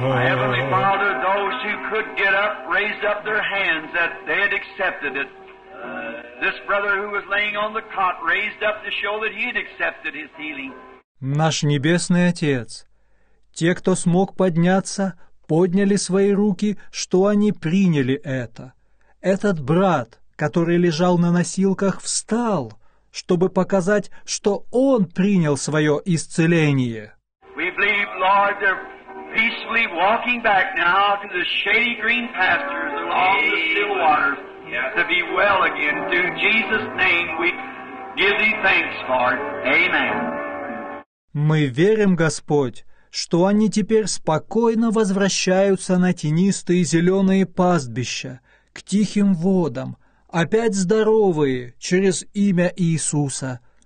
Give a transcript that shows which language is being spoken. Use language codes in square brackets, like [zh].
[en] Heavenly Father, those who could get up, raised up their hands that they had accepted it. This brother who was laying on the cot raised up to show that he had accepted his healing. [ru] Наш Небесный Отец, те, кто смог подняться, подняли свои руки, что они приняли это. Этот брат, который лежал на носилках, встал, чтобы показать, что он принял свое исцеление. [en] We believe, Lord, they're peacefully walking back now to the shady green pastures along the still waters to be well again. Through Jesus' name we give thee thanks, Lord. Amen. [ru] Мы верим, Господь, что они теперь спокойно возвращаются на тенистые зеленые пастбища, к тихим водам, опять здоровые через имя Иисуса.